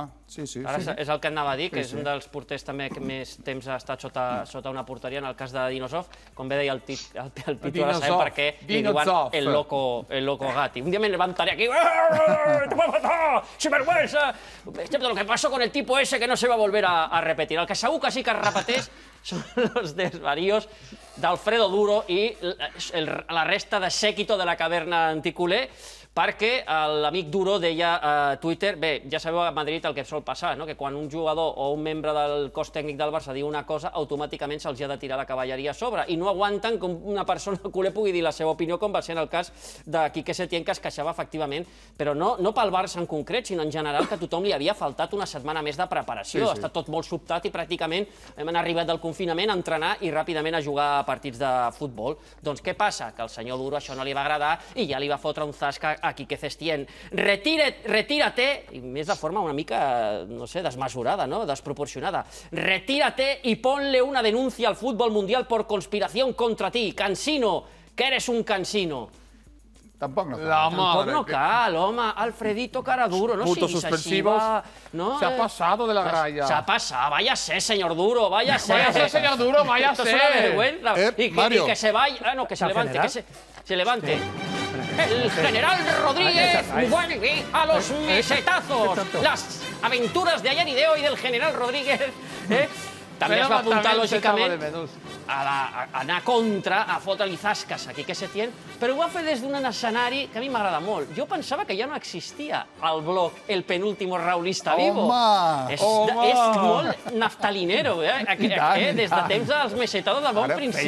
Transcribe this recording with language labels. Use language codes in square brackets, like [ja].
[ca] És el que anava a dir, que és un dels porters també que més temps ha estat sota una porteria, en el cas de Dinozov. Com bé deia el Pitu, ara sabem per què li diuen el loco Gatti. [es] Un dia me levantaré aquí... ¡Te puedo matar! ¡Sinvergüenza! Excepto lo que pasó con el tipo ese, que no se va a volver a repetir. [ca] El que segur que sí que es repeteix són els desvaríos d'Alfredo Duro i la resta de sèquito de la caverna anticuler, perquè l'amic Duro deia a Twitter... Bé, ja sabeu a Madrid el que sol passar, no? Que quan un jugador o un membre del cos tècnic del Barça diu una cosa, automàticament se'ls ha de tirar la cavalleria a sobre. I no aguanten que una persona culer pugui dir la seva opinió, com va ser en el cas de Quique Setién, que es queixava efectivament, però no pel Barça en concret, sinó en general, que a tothom li havia faltat una setmana més de preparació. Ha estat tot molt sobtat i pràcticament hem arribat del confinament a entrenar i ràpidament a jugar a partits de futbol. Doncs què passa? Que al senyor Duro això no li va agradar i ja li va fotre un zasca a Quique Setién. [es] Retírate, [ca] i més de forma una mica, no sé, desmesurada, no?, desproporcionada. [es] Retírate y ponle una denuncia al fútbol mundial por conspiración contra ti. Cansino, que eres un cansino. [ca] Tampoc no cal. Tampoc no cal, home. Alfredito Caraduro, no siguis així. [es] Se ha pasado de la raya. Se ha pasado, váyase, señor Duro, váyase. Váyase, señor Duro, váyase. Esto es una vergüenza. Y que se vaya... Ah, no, que se levante, que se levante. Sí. El general Rodríguez vuelve a los mesetazos. Las aventuras de ayer y de hoy del general Rodríguez. También se va a apuntar, lógicamente, [ca] a anar contra, a fotre-li zasques aquí que se tien, però ho va fer des d'un escenari que a mi m'agrada molt. Jo pensava que ja no existia el bloc El Penúltimo Raulista Vivo. Home! És molt naftalinero, des de temps dels mesetados del bon principi.